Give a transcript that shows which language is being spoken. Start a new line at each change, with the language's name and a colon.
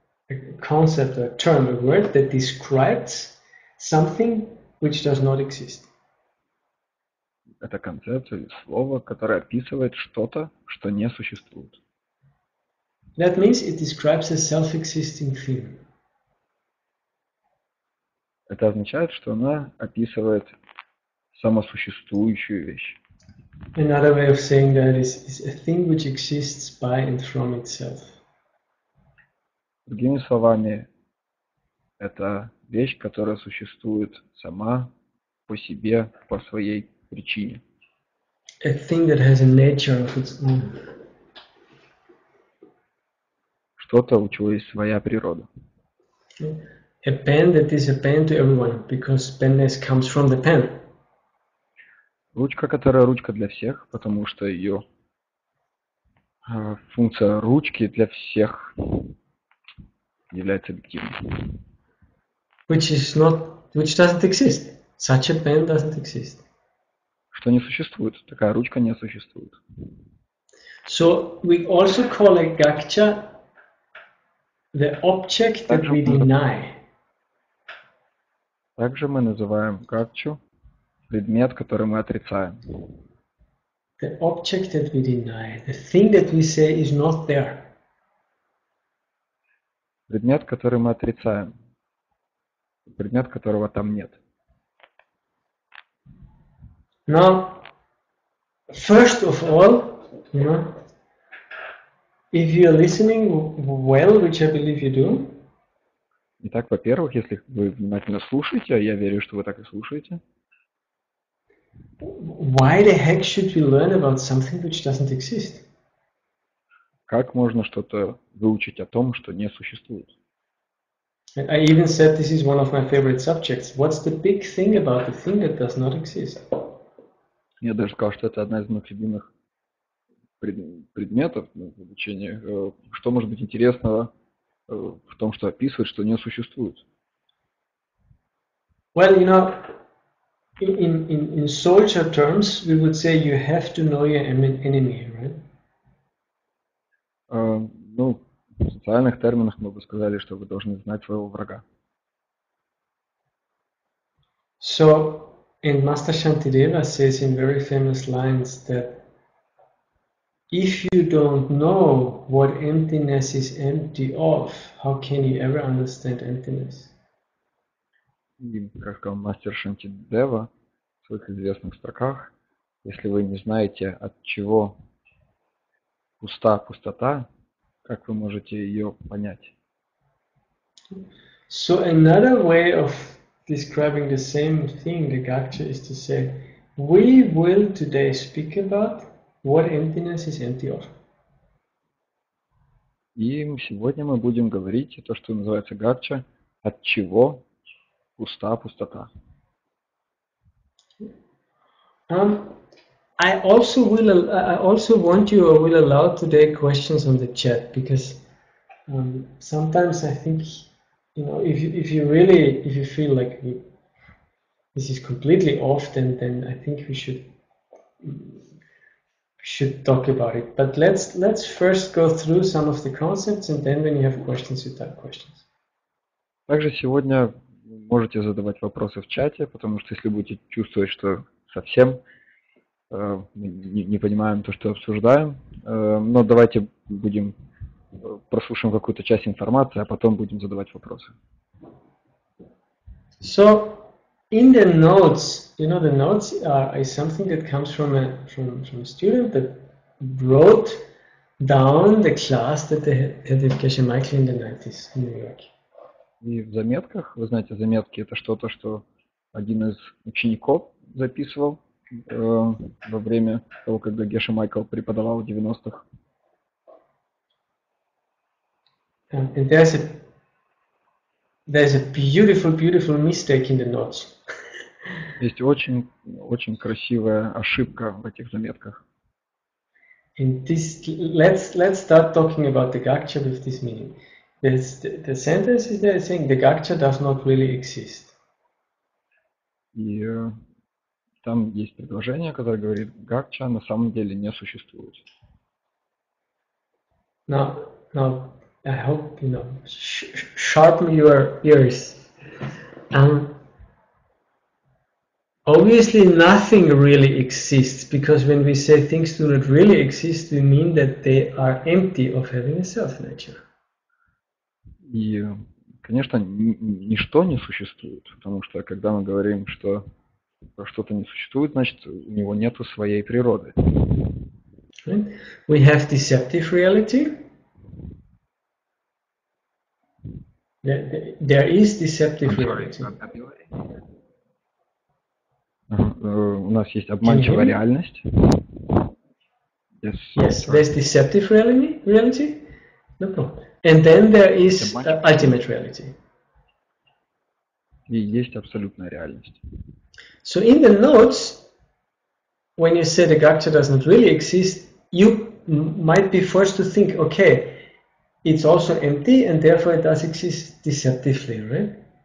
English: A concept, a term, a word that describes something which does not exist.
Russian: Это концепция, слово, которое описывает что-то, что не существует.
English: That means it describes a self-existing thing.
Russian: Это означает, что она описывает самосуществующую вещь.
English: Another way of saying that is a thing which exists by and from itself.
Russian: Другими словами, это вещь, которая существует сама по себе, по своей причине.
English: A thing that has a nature of its own.
Russian: Что-то, у чего есть своя природа.
English: A pen that is a pen to everyone, because penness comes from the pen.
Russian: Ручка, которая ручка для всех, потому что ее функция ручки для всех является объективной.
English: Which doesn't exist. Such a pen doesn't exist.
Russian: Что не существует, такая ручка не существует.
English: So we also call a gakcha the object that we deny.
Russian: Также мы называем гакчу предмет, который мы отрицаем.
English: The object that we deny, the thing that we say is not there.
Russian: Предмет, который мы отрицаем. Предмет, которого там нет.
English: Now, first of all, you know, if you are listening well, which I believe you do.
Russian: Итак, во-первых, если вы внимательно слушаете, а я верю, что вы так и слушаете.
English: Why the heck should we learn about something which doesn't exist?
Russian: Как можно что-то выучить о том, что не существует?
English: I even said this is one of my favorite subjects. What's the big thing about the thing that does not exist?
Russian: Я даже сказал, что это одна из моих любимых предметов в обучении. Что может быть интересного в том, что описывает, что не существует?
English: Well, you know, in soldier terms, we would say you have to know your enemy, right?
Russian: Ну, в социальных терминах мы бы сказали, что вы должны знать своего врага.
English: So, and Master Shantideva says in very famous lines that if you don't know what emptiness is empty of, how can you ever understand emptiness?
Russian: И как сказал Мастер Шантидева в своих известных строках, если вы не знаете, от чего пуста пустота, как вы можете ее понять?
English: So another way of describing the same thing, the gacha, is to say, we will today speak about what emptiness is empty of.
Russian: И сегодня мы будем говорить то, что называется гакча, от чего пуста пустота.
English: I also will allow today questions on the chat, because sometimes I think, you know, if you feel like this is completely off, then I think we should talk about it. But let's first go through some of the concepts, and then when you have questions, you type questions.
Russian: Также сегодня можете задавать вопросы в чате, потому что если будете чувствовать, что совсем не понимаем то, что обсуждаем. Но давайте будем прослушаем какую-то часть информации, а потом будем задавать вопросы.
English: So in the notes, you know, the notes is something that comes from a student that wrote down the class that they had with Geshe Michael in the 90s in New York.
Russian: И в заметках, вы знаете, заметки — это что-то, что один из учеников записывал во время того, когда Геша Майкл преподавал в 90-х.
English: And there's a beautiful, beautiful mistake in the notes.
Russian: Есть очень, очень красивая ошибка в этих заметках.
English: And this, let's start talking about the gacha with this meaning. The sentence is there saying the gacha does not really exist.
Russian: Там есть предложение, которое говорит, гакча на самом деле не существует.
English: Now, I hope you know. Sharpen your ears. Obviously, nothing really exists, because when we say things do not really exist, we mean that they are empty of having a self nature.
Russian: И, конечно, ничто не существует, потому что когда мы говорим, что что-то не существует, значит, у него нету своей природы.
English: We have deceptive reality. There is deceptive reality.
Russian: У нас есть обманчивая реальность.
English: Yes, there's deceptive reality. No. And then there is ultimate reality.
Russian: И есть абсолютная реальность.
English: So in the notes, when you say the gacha does not really exist, you might be forced to think, okay, it's also empty, and therefore it does exist deceptively, right?